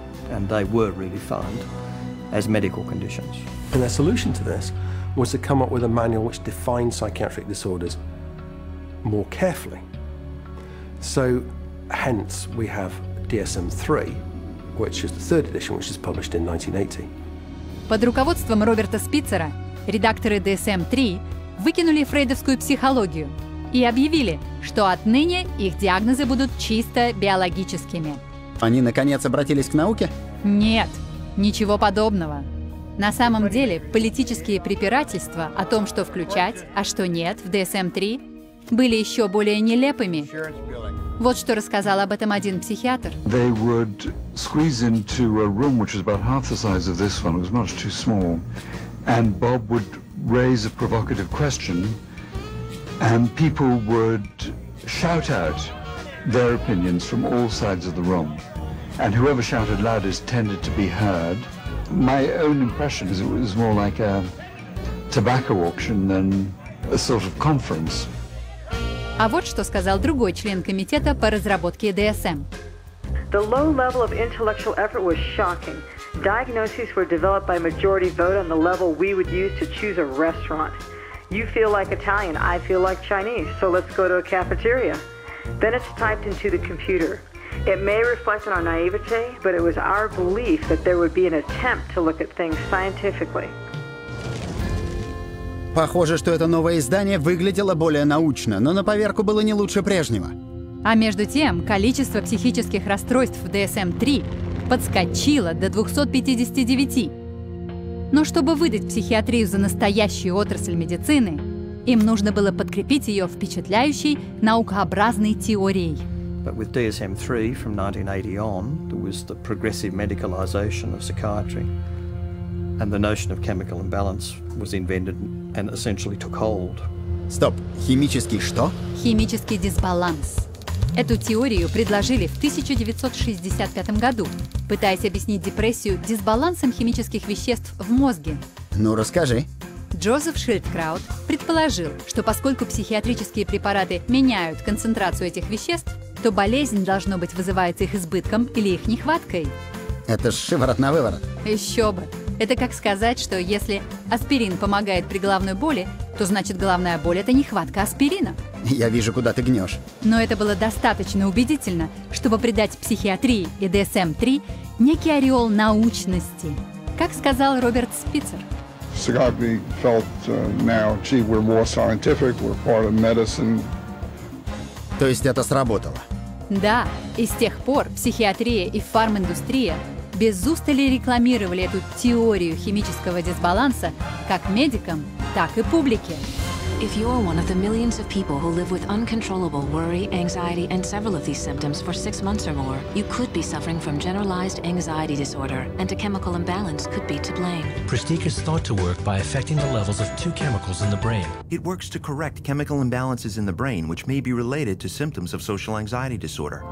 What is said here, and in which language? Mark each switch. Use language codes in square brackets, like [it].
[en] And they were redefined as medical conditions. And their solution to this was to come up with a manual which defined psychiatric disorders more carefully. So hence we have DSM-3, which is the third edition, which was published in 1980. [ru] Под руководством Роберта Спицера редакторы DSM-3 выкинули фрейдовскую психологию и объявили, что отныне их диагнозы будут чисто биологическими. Они, наконец, обратились к науке? Нет, ничего подобного. На самом деле, политические препирательства о том, что включать, а что нет, в DSM-3, были еще более нелепыми. Вот что рассказал об этом один психиатр. [en] They would squeeze into a room, which was about half the size of this one, it was much too small, and Bob would raise a provocative question, and people would shout out their opinions from all sides of the room. And whoever shouted loudest tended to be heard. My own impression is it was more like a tobacco auction than a sort of conference. [ru] А вот что сказал другой член комитета по разработке DSM. [en] The low level of intellectual effort was shocking. Diagnoses were developed by majority vote on the level we would use to choose a restaurant. You feel like Italian, I feel like Chinese, so let's go to a cafeteria. Then it's typed into the computer. It may reflect on our naivete, but it was our belief that there would be an attempt to look at things scientifically. [ru] Похоже, что это новое издание выглядело более научно, но на поверку было не лучше прежнего. А между тем, количество психических расстройств в DSM-3 подскочило до 259. Но чтобы выдать психиатрию за настоящую отрасль медицины, им нужно было подкрепить ее впечатляющей наукообразной теорией. [en] But with DSM-3 from 1980 on, there was the progressive medicalization of psychiatry, and the notion of chemical imbalance was invented and essentially took hold. [ru] Стоп, химический что? Химический дисбаланс. Эту теорию предложили в 1965 году, пытаясь объяснить депрессию дисбалансом химических веществ в мозге. Ну, расскажи. Джозеф Шильдкраут предположил, что поскольку психиатрические препараты меняют концентрацию этих веществ, то болезнь, должно быть, вызывается их избытком или их нехваткой. Это ж шиворот на выворот. Еще бы. Это как сказать, что если аспирин помогает при головной боли, то значит головная боль – это нехватка аспирина. Я вижу, куда ты гнешь. Но это было достаточно убедительно, чтобы придать психиатрии и DSM-3 некий ореол научности. Как сказал Роберт Спицер. [en] Psychiatry felt now, gee, we're more scientific, we're part of medicine. [ru] То есть это сработало? Да, и с тех пор психиатрия и фарминдустрия без устали рекламировали эту теорию химического дисбаланса как медикам, так и публике. [en] If you are one of the millions of people who live with uncontrollable worry, anxiety, and several of these symptoms for 6 months or more, you could be suffering from generalized anxiety disorder, and a chemical imbalance could be to blame. Prestique is thought to work by affecting the levels of two chemicals in the brain. It works to correct chemical imbalances in the brain, which may be related to symptoms of social anxiety disorder.